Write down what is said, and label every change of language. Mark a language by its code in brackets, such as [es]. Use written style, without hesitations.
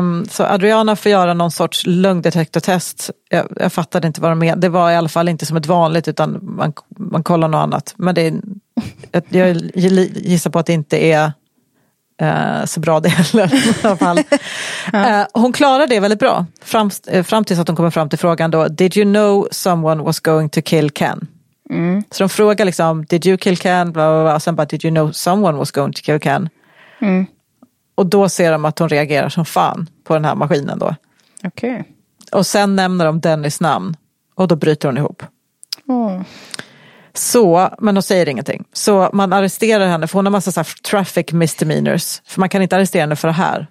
[sv] Så Adriana får göra någon sorts lungdetektortest. Jag fattade inte vad de menade. Det var i alla fall inte som ett vanligt, utan man kollar något annat. Men det är, jag gissar på att det inte är så bra det heller. I alla fall. Hon klarar det väldigt bra. Fram tills att hon kommer fram till frågan då. [en] Did you know someone was going to kill Ken? Mm. [sv] Så de frågar liksom, [en] did you kill Ken? [sv] Blah, blah, blah. Och sen bara, [en] did you know someone was going to kill Ken? Mm. [sv] Och då ser de att hon reagerar som fan på den här maskinen då. Okej. [en] Okay. [sv] Och sen nämner de Dennis namn. Och då bryter hon ihop. Oh. Så, men hon säger ingenting. Så man arresterar henne. För hon har massa så här traffic misdemeanors. För man kan inte arrestera henne för det här.